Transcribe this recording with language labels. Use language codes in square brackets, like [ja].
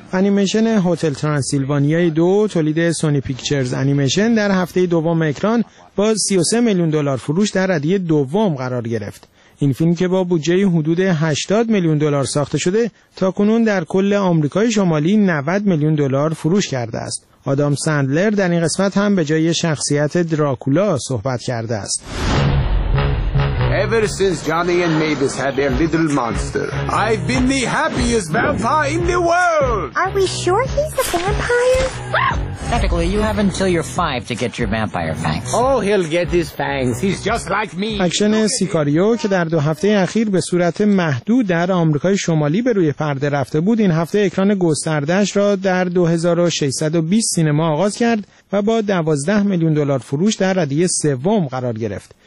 [fa] انیمیشن هتل ترانسیلوانیای 2 تولید سونی پیکچرز انیمیشن در هفته دوم اکران با 33 میلیون دلار فروش در ردیه دوم قرار گرفت. این فیلم که با بودجه حدود 80 میلیون دلار ساخته شده تاکنون در کل آمریکای شمالی 90 میلیون دلار فروش کرده است. آدام سندلر در این قسمت هم به جای شخصیت دراکولا صحبت کرده است. [en] Ever since Johnny and Mavis had their little monster, I've been the happiest vampire in the world. Are we sure he's a vampire? Technically, you have until you're 5 to get your vampire fangs. Oh, he'll get his fangs. He's just like me. [fa] اکشن سیکاریو که در 2 هفته اخیر به صورت محدود در آمریکای شمالی به روی پرده رفته بود، این هفته اکران گسترده‌اش را در 2620 سینما آغاز کرد و با 12 میلیون دلار فروش در ردیه سوم قرار گرفت.